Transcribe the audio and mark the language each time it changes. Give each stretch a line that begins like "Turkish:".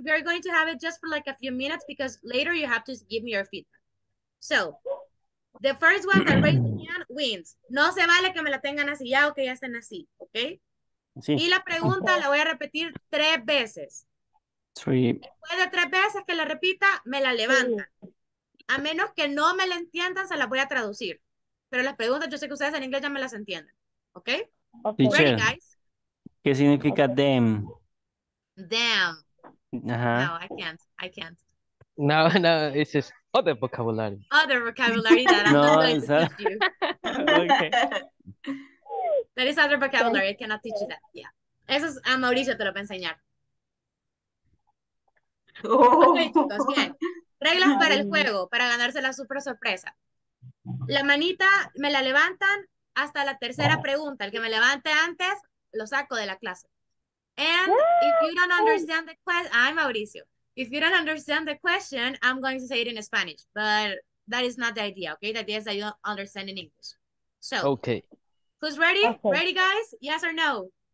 English: We are going to have it just for like a few minutes because later you have to give me your feedback. So, the first one that raised the hand wins.
Spanish: No se vale que me la tengan así ya o que ya estén así, okay? Sí. Y la pregunta la voy a repetir tres veces. Después de tres veces que la repita, me la levantan. A menos que no me la entiendan, se la voy a traducir. Pero las preguntas, yo sé que ustedes en inglés ya me las entienden. ¿Ok?
English: Teacher, ready, guys?
Spanish: ¿Qué significa
English: them? Them. Uh-huh. No, I can't. No, it's just other vocabulary. Other vocabulary that I'm not going to teach you. Okay. That is other vocabulary. I cannot teach you that. Yeah.
Spanish: Eso es a Mauricio te lo va a enseñar. Oh. Ok, chicos, bien. Reglas para el juego, para ganarse la super sorpresa. La manita me la levantan hasta la tercera pregunta. El que me levante antes, lo saco de la clase.
English: And if you don't understand the question, I'm Mauricio. If you don't understand the question, I'm going to say it in Spanish. But that is not the idea, okay? The idea is that you don't understand in English. So, okay. Who's ready? Okay. Ready, guys? Yes or no?